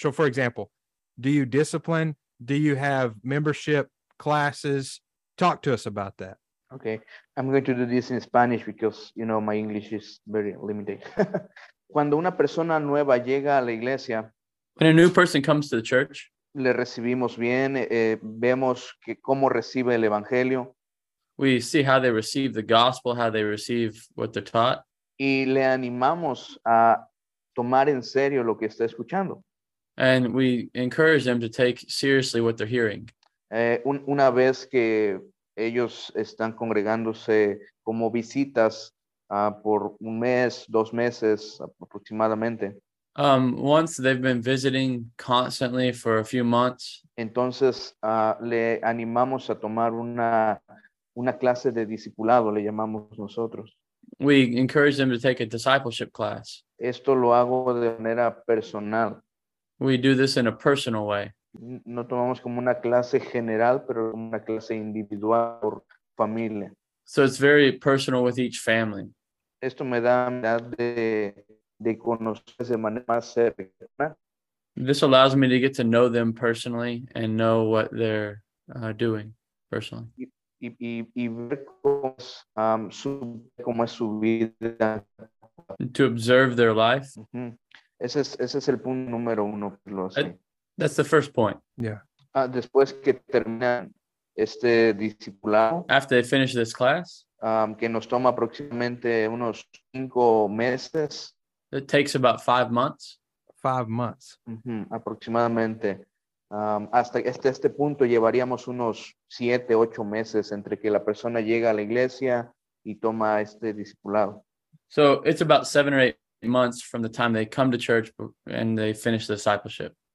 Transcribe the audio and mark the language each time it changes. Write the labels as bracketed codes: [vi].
[en] So for example, do you discipline? Do you have membership classes? Talk to us about that. Okay, I'm going to do this in Spanish because, you know, my English is very limited. [es] Cuando una persona nueva llega a la iglesia, [en] When a new person comes to the church, [es] le recibimos bien, vemos que cómo recibe el evangelio. [en] We see how they receive the gospel, how they receive what they're taught. [es] Y le animamos a tomar en serio lo que está escuchando. [en] And we encourage them to take seriously what they're hearing. [es] Una vez que ellos están congregándose como visitas por un mes, dos meses aproximadamente. [en] Once they've been visiting constantly for a few months. [es] Entonces le animamos a tomar una clase de discipulado, le llamamos nosotros. [en] We encourage them to take a discipleship class. [es] Esto lo hago de manera personal. [en] We do this in a personal way. [es] No tomamos como una clase general, pero como una clase individual por familia. [en] So it's very personal with each family. [es] Esto me da de conocer de manera más cercana. [en] This allows me to get to know them personally and know what they're doing personally. [es] Y ver cómo es su vida. [en] To observe their life. [es] Mm-hmm. Ese es el punto número uno. [en] That's the first point. Yeah. [es] Después que terminan este discipulado. [en] After they finish this class. [es] Que nos toma aproximadamente unos 5 meses. [en] It takes about 5 months. 5 months. [es] Mm-hmm. Aproximadamente. Hasta este punto llevaríamos unos 7-8 meses entre que la persona llega a la iglesia y toma este discipulado. [en] So it's about 7 or 8 months from the time they come to church and they finish the discipleship.